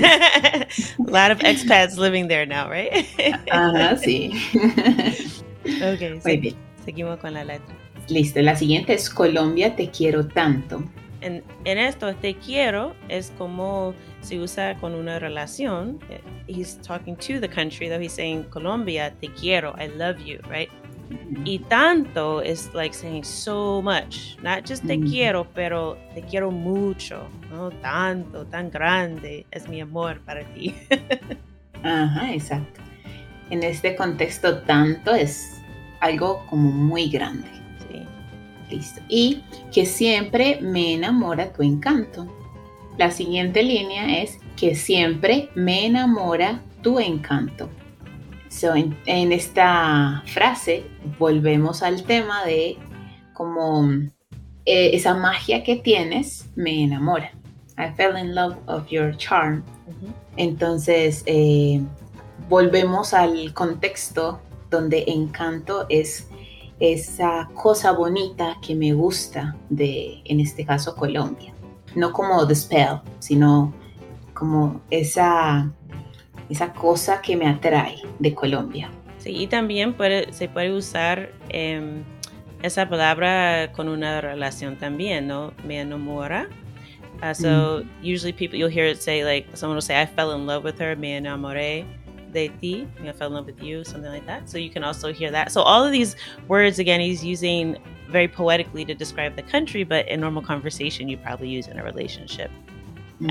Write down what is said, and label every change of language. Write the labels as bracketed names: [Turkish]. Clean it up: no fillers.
[English] A lot of expats living there now, right? [Spanish] Ajá, sí. Ok, muy sí, bien. Seguimos con la letra. Listo, la siguiente es Colombia, te quiero tanto. En esto, te quiero es como se usa con una relación. [English] He's talking to the country, though he's saying, Colombia, [Spanish] te quiero, [English] I love you, right? Mm-hmm. [Spanish] Y tanto [English] is like saying so much, not just te mm-hmm. [Spanish] quiero, pero te quiero mucho, ¿no? Tanto, tan grande, es mi amor para ti. Ajá, exacto. En este contexto, tanto es algo como muy grande. Listo. Y que siempre me enamora tu encanto. La siguiente línea es que siempre me enamora tu encanto. So, en esta frase volvemos al tema de como esa magia que tienes me enamora. [English] I fell in love of your charm. [Spanish] Entonces volvemos al contexto donde encanto es esa cosa bonita que me gusta de, en este caso, Colombia. No como [English] the spell, [Spanish] sino como esa cosa que me atrae de Colombia. Sí, y también se puede usar esa palabra con una relación también, ¿no? Me enamora. So, mm-hmm. [English] usually people, you'll hear it say, like, someone will say, I fell in love with her, [Spanish] me enamoré de ti, [English] I fell in love with you, something like that. So you can also hear that. So all of these words, again, he's using very poetically to describe the country, but in normal conversation, you probably use in a relationship. Mm-hmm.